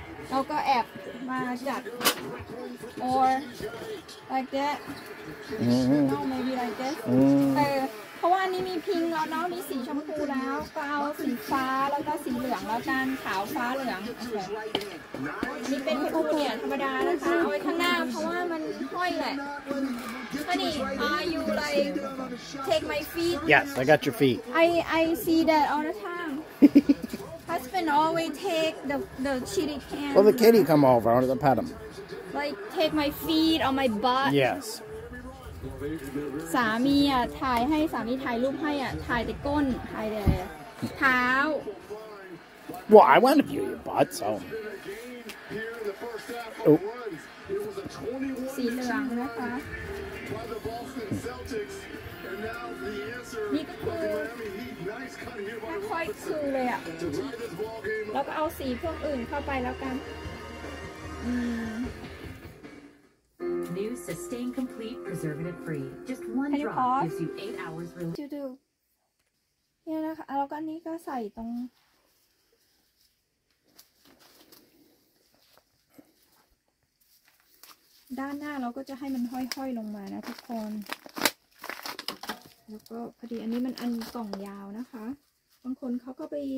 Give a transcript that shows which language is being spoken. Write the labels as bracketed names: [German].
[Thai] เราก็แอบมาจัด [English] or like that no maybe like that [Thai] เพราะว่านี่มีพิงค์แล้วเนาะมีสีชมพูแล้วก็เอาสีฟ้าแล้วก็สีเหลืองแล้วกันขาวฟ้าเหลืองนี่เป็นผู้เขียนธรรมดานะคะเอาไว้ข้างหน้าเพราะว่ามันห้อยแหละฮันนี่ [English] are you like take my feet yes I got your feet I see that all the time husband always take the chili can well the kitty come over I want to pet him like take my feet on my butt yes [Thai] สามีอ่ะถ่ายให้สามีถ่ายรูปให้อ่ะถ่ายแต่ก้นถ่ายแต่เท้า [English] Well I want to view your butt so สี [Thai] เหลืองนะคะนี่ก็คือแค่ค่อยคือเลยอ่ะแล้วก็เอาสีพวกอื่นเข้าไปแล้วกัน [English] New Sustain Complete Preservative Free. Just one drop gives you 8 hours relief. To do. [Thai] เนี่ยนะคะแล้วก็นี่ก็ใส่ตรงด้านหน้าเราก็จะให้มันห้อยๆลงมานะทุกคนแล้วก็พอดีอันนี้มันอันกล่องยาวนะคะบางคนเขาก็ไป